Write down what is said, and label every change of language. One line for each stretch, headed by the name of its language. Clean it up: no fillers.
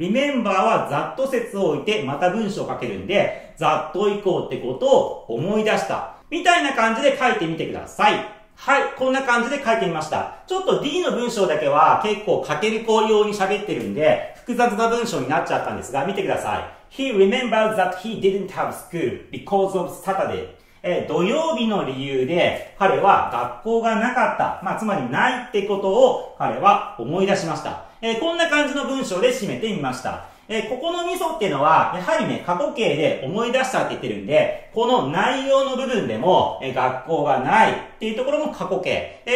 Japanese: remember はざっと説を置いてまた文章を書けるんで、ざっと以降ってことを思い出した。みたいな感じで書いてみてください。はい、こんな感じで書いてみました。ちょっと D の文章だけは結構書ける子用に喋ってるんで複雑な文章になっちゃったんですが、見てください。
English: He remembers that he didn't have school because of Saturday。
Japanese: 土曜日の理由で彼は学校がなかった、まあつまりないってことを彼は思い出しました。こんな感じの文章で締めてみました。ここのミソっていうのは、やはりね、過去形で思い出したって言ってるんで、この内容の部分でも、学校がないっていうところも過去形。